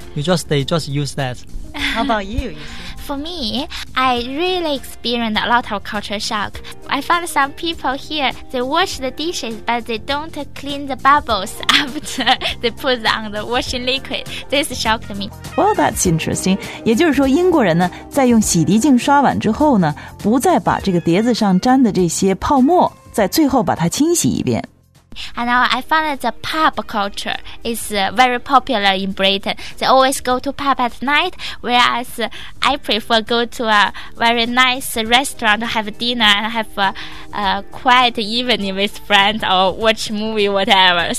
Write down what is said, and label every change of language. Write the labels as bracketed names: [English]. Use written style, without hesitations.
[English] They just use that. How about you? For me, I really experienced a lot of culture shock. I found some people here, they wash the dishes, but they don't clean the bubbles after they put on the washing liquid. This shocked me. Well, that's interesting. [Chinese] 也就是说，英国人呢，在用洗涤镜刷碗之后呢，不再把这个碟子上沾的这些泡沫，在最后把它清洗一遍。 [English] And I found that the pub culture is very popular in Britain. They always go to pub at night, whereas I prefer go to a very nice restaurant to have dinner and have a quiet evening with friends or watch movie, whatever.